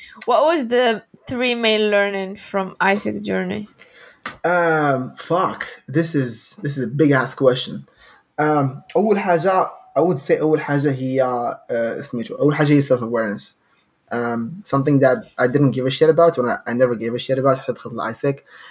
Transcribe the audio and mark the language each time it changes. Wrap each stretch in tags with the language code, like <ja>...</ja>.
<en>What was the three main learning from Isaac journey? Fuck, this is a big ass question.</en> <ar>أول حاجة</ar> <en>I would say</en> <ar>أول حاجة هي اسميتو أول حاجة هي</ar> <en>self awareness. Something that I didn't give a shit about when I never gave a shit about</en> <ar>حتى دخلت لايسك.</ar>